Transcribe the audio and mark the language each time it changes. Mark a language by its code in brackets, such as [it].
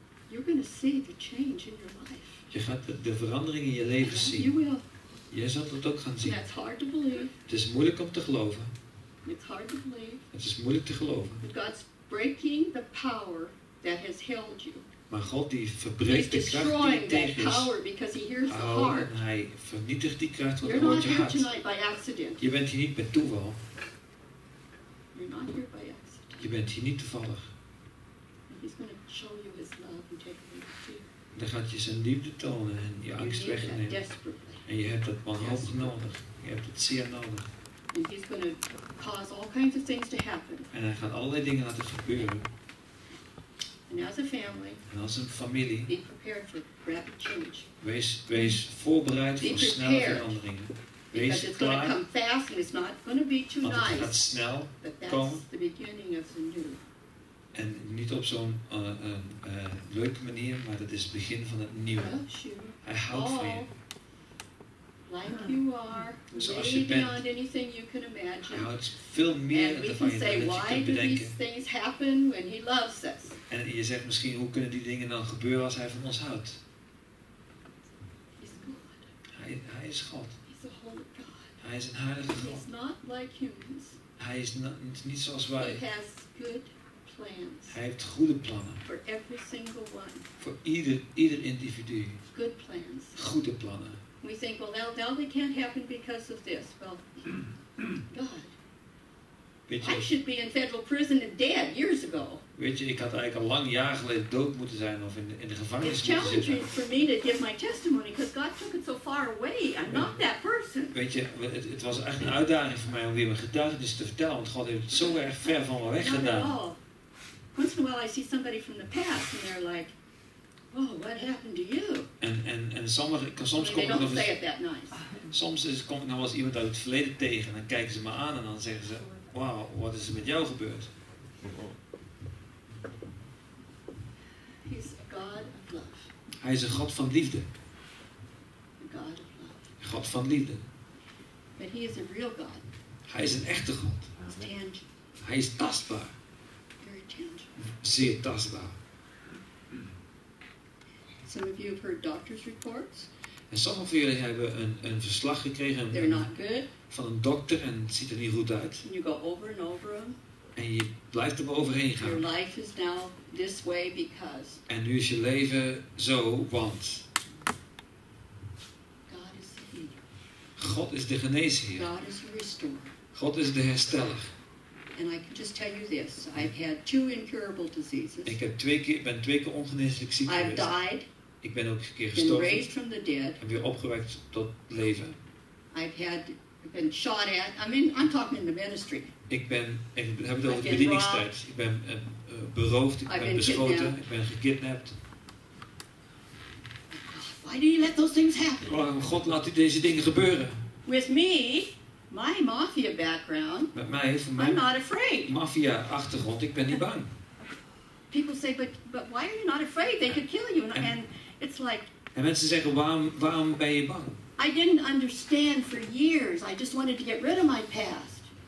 [en] You're going to see the change in your life. [nl] Je gaat de verandering in je leven zien. [en] You will. [nl] Jij zult het ook gaan zien. [en] That's hard to believe. [nl] Het is moeilijk om te geloven. [en] It's hard to believe. [nl] Het is moeilijk te geloven. [en] But God's breaking the power that has held you. [nl] Maar God die verbreekt de kracht die je tegen is. [en] He's destroying that power because he hears the heart. [nl] En hij vernietigt die kracht van je hart. [en] You're not here tonight by accident. [nl] Je bent hier niet bij toeval. [en] You're not here by accident. [nl] Je bent hier niet toevallig. [en] He's going to show you his love and take away fear. [nl] Dan gaat je zijn liefde tonen en je angst wegnemen. En je hebt het wanhopig nodig. Je hebt het zeer nodig. [en] And he's going to cause all kinds of things to happen. [nl] En hij gaat allerlei dingen laten gebeuren. [en] And as a family, [nl] en als een familie, [en] be prepared for rapid change. [nl] Wees voorbereid voor snelle veranderingen. Wees klaar. [en] It's going to come fast and it's not going to be too nice. [nl] Want het gaat snel komen. [en] But that's the beginning of the new. [nl] En niet op zo'n leuke manier, maar dat is het begin van het nieuwe. Hij houdt van je. [en] Like you are, [nl] zoals je bent. [en] Beyond anything you can imagine. [nl] Hij houdt veel meer [en] and [nl] van je dan [en] say, [nl] dat je kunt bedenken. [en] These things happen when he loves us. [nl] En je zegt misschien, hoe kunnen die dingen dan gebeuren als hij van ons houdt? Hij is God. Hij is een heilige God. [en] He's not like humans. [nl] Hij is niet zoals wij. [en] He has good. [nl] Hij heeft goede plannen. [en] For every single one. [nl] Voor ieder individu. [en] Good plans. [nl] Goede plannen. [en] We think, well, that can't happen because of this. Well, God. [nl] Weet je, [en] I should be in federal prison and dead years ago. [nl] Weet je, ik had eigenlijk al lang jaar geleden dood moeten zijn of in de gevangenis moeten zitten. [en] It's challenging for me to give my testimony because God took it so far away. I'm not that person. [nl] Weet je, het was echt een uitdaging voor mij om weer mijn getuigenis te vertellen, want God heeft het zo erg ver van me weg gedaan. [en] Once in a while I see somebody from the past and they're like, oh, what happened to you? [nl] En soms kom ik nog eens. Soms kom ik nog eens iemand uit het verleden tegen en dan kijken ze me aan en dan zeggen ze, wow, wat is er met jou gebeurd? [en] He's a God of love. [nl] Hij is een God van liefde. [en] A God of love. [nl] Een God van liefde. [en] But he is a real God. [nl] Hij is een echte God. [en] He's tangible. [nl] Hij is tastbaar. Zeer tastbaar. [en] Some of you have heard doctor's reports. [nl] En sommigen van jullie hebben een verslag gekregen [en] They're not good. [nl] Van een dokter en het ziet er niet goed uit. [en] And you go over and over them. [nl] En je blijft er overheen gaan. [en] Your life is now this way because. [nl] En nu is je leven zo, want. [en] God is the healer. [nl] God is de genezer. [en] God is the restorer. [nl] God is de hersteller. [en] And I can just tell you this: I've had two incurable diseases. [nl] Ik heb ben twee keer ongeneeslijk ziek geweest. [en] I've died. [nl] Ik ben ook een keer gestorven. [en] Been raised from the dead. [nl] En weer opgewekt tot leven. [en] I've been shot at. I mean, I'm talking in the ministry. [nl] Ik heb het over de bedieningstijd. [en] Robbed. [nl] Ik ben beroofd. Ik ben beschoten. Ik ben gekidnapt. [en] Why do you let those things happen? [nl] Waarom God laat deze dingen gebeuren? [en] With me. My mafia background. [nl] Met mij, voor mijn [en] I'm not afraid. [nl] Mafia achtergrond, ik ben niet bang. [en] People say, but why are you not afraid? They could kill you. And it's like. [nl] En mensen zeggen, waarom ben je bang? [en] I didn't understand for years. I just wanted to get rid of my past.